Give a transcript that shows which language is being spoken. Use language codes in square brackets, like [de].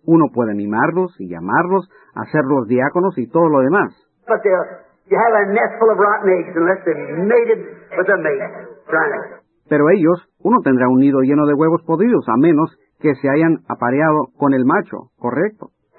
[es] Uno puede mimarlos y llamarlos, hacerlos diáconos y todo lo demás. [en] But you have a nest full of rotten eggs unless they're mated with a mate. Right. [es] Pero ellos, uno tendrá un nido lleno de huevos podridos a menos que se hayan apareado con el macho, ¿correcto?